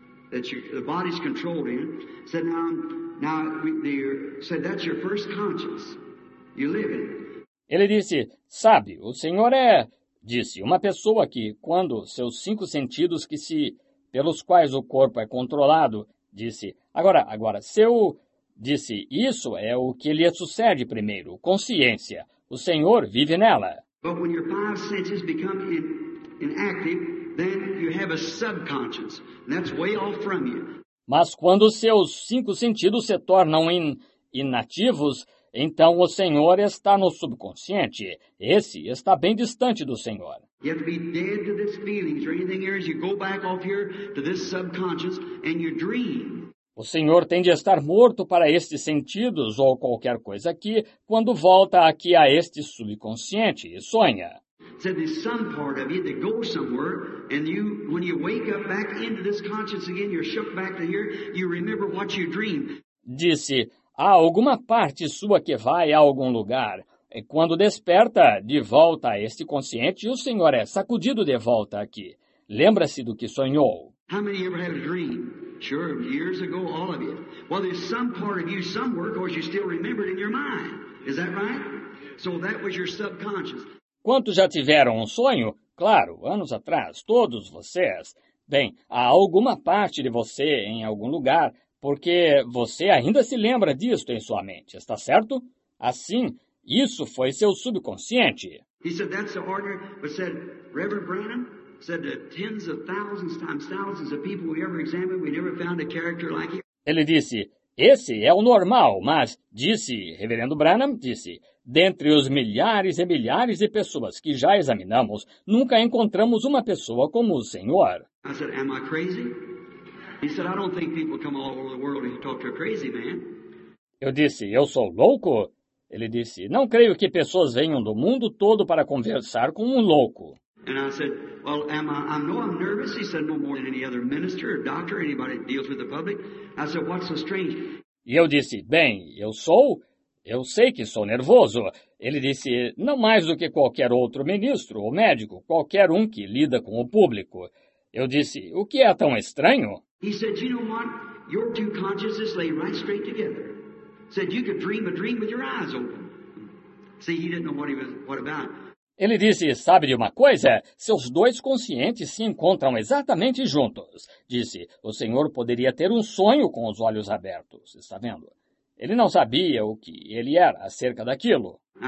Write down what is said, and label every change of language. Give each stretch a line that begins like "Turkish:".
English: That you, the body's controlled in, said now that's your first conscience, you live in.
Portuguese: Ele disse, sabe, o senhor é, disse, uma pessoa que, quando seus cinco sentidos que se, pelos quais o corpo é controlado, disse, agora, seu, disse, isso é o que lhe sucede primeiro, consciência, o senhor vive nela.
English: But when your five senses become inactive, then you have a subconscious, and that's way off from you.
Portuguese: Mas quando seus cinco sentidos se tornam inativos, então o Senhor está no subconsciente. Esse está bem distante do Senhor.
English: You have to be dead to these feelings or anything else. You go back off here to this subconscious and you dream.
Portuguese: O Senhor tem de estar morto para estes sentidos ou qualquer coisa aqui quando volta aqui a este subconsciente e sonha.
English: So there's some part of you that goes somewhere, and you, when you wake up back into this conscience again, you're shook back to here, you remember what you dreamed.
Portuguese: Disse, há alguma parte sua que vai a algum lugar, e quando desperta de volta a este consciente, o senhor é sacudido de volta aqui. Lembra-se do que sonhou.
English: How many ever had a dream? Sure, years ago, all of you. Well, there's some part of you somewhere, because you still remember it in your mind. Is that right? So that was your subconscious.
Portuguese: Quantos já tiveram um sonho? Claro, anos atrás, todos vocês. Bem, há alguma parte de você em algum lugar, porque você ainda se lembra disto em sua mente, está certo? Assim, isso foi seu subconsciente.
English: He said, that's the order, but said, Reverend Branham said that tens of thousands times thousands of people we ever examined, we never found a character like him.
Portuguese: Ele disse, esse é o normal, mas, disse, Reverendo Branham, disse, dentre os milhares e milhares de pessoas que já examinamos, nunca encontramos uma pessoa como o senhor.
English: I said, am I crazy? He said, I don't think people come all over the world and talk to a crazy man.
Portuguese: Eu disse, eu sou louco? Ele disse, não creio que pessoas venham do mundo todo para conversar com um louco.
English: And I said, well, am I know I'm nervous. He said, no more than any other minister or doctor, anybody that deals with the public. I said, what's so strange?
Portuguese: E eu disse, bem, eu sei que sou nervoso. Ele disse, não mais do que qualquer outro ministro ou médico, qualquer um que lida com o público. Eu disse, o que é tão estranho?
English: He said, you know what? Your two consciences lay right straight together. Said, you could dream a dream with your eyes open. See, he didn't know what he was, what about.
Portuguese: Ele disse, sabe de uma coisa? Seus dois conscientes se encontram exatamente juntos. Disse, o senhor poderia ter um sonho com os olhos abertos. Está vendo? Ele não sabia o que ele era acerca daquilo.